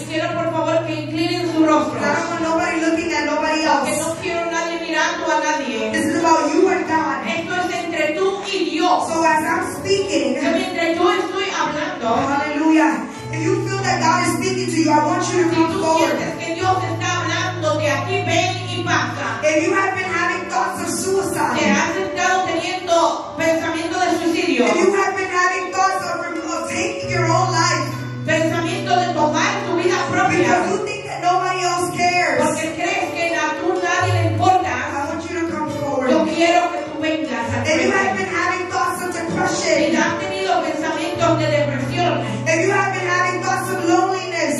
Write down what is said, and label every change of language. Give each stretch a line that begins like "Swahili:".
Spanish: Y quiero, por favor, que inclinen su rostro.
English: I don't want nobody looking at nobody else.
Spanish: Porque no quiero nadie mirando a nadie.
English: This is about you and God.
Spanish: Esto es entre tú y Dios.
English: So as I'm speaking,
Spanish: que mientras yo estoy hablando,
English: hallelujah. If you feel that God is speaking to you, I want you to come forward.
Spanish: Que Dios está hablando de aquí, ven.
English: If you have been having thoughts of suicide,
Spanish: que has estado teniendo pensamiento de suicidio,
English: if you have been having thoughts of taking your own life,
Spanish: pensamiento de tomar tu vida propia,
English: because you think that nobody else cares,
Spanish: porque crees que a tú nadie le importa,
English: I want you to come forward.
Spanish: Yo quiero que tú vengas a frente.
English: If you have been having thoughts of depression,
Spanish: si has tenido pensamientos de depresión,
English: if you have been having thoughts of loneliness,